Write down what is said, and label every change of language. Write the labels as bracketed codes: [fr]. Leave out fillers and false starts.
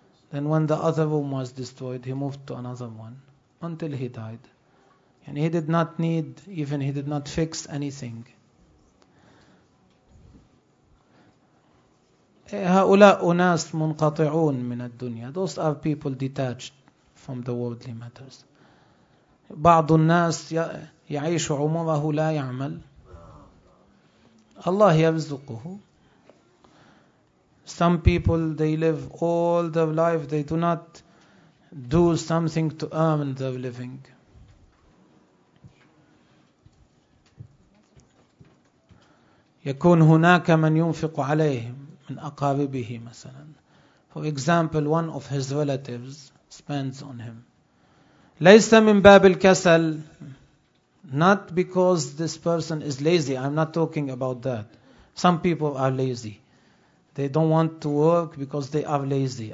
[en] Then when the other room was destroyed, he moved to another one. Until he died. And he did not need, even he did not fix anything. [ar] هؤلاء أناس منقطعون من الدنيا. [en] Those are people detached from the worldly matters. [ar] بعض الناس يعيش عمره لا يعمل. الله يرزقه. [en] Some people, they live all their life, they do not do something to earn their living. [ar] يكون هناك من ينفق عليه من أقاربه مثلا. [en] For example, one of his relatives spends on him. [ar] ليس من باب الكسل. [en] Not because this person is lazy. I'm not talking about that. Some people are lazy. They don't want to work because they are lazy.